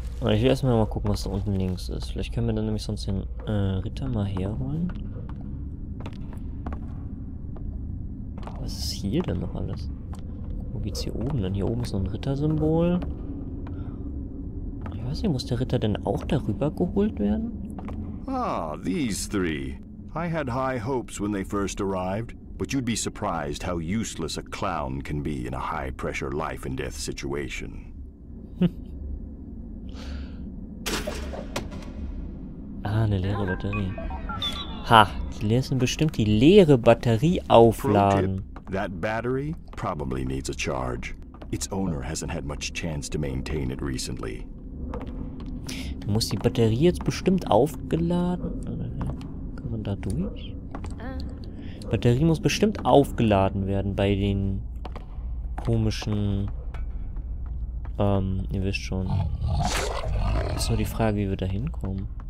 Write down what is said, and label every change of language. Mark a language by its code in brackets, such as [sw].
[de] Ich will erstmal mal gucken, was da unten links ist. Vielleicht können wir dann nämlich sonst den Ritter mal herholen. Was ist hier denn noch alles? Wo geht's hier oben? Dann hier oben ist so ein Rittersymbol. Ich weiß nicht, muss der Ritter denn auch darüber geholt werden? [en] Ah, these three. I had high hopes when they first arrived, but you'd be surprised how useless a clown can be in a high pressure life and death situation. [de] Ah, eine leere Batterie. Ha, die lassen bestimmt die leere Batterie aufladen. [en] That battery probably needs a charge. Its owner hasn't had much chance to maintain it recently. [de] Muss die Batterie jetzt bestimmt aufgeladen? Kann man da durch? Batterie muss bestimmt aufgeladen werden bei den komischen. Ihr wisst schon. Ist nur die Frage, wie wir da hinkommen.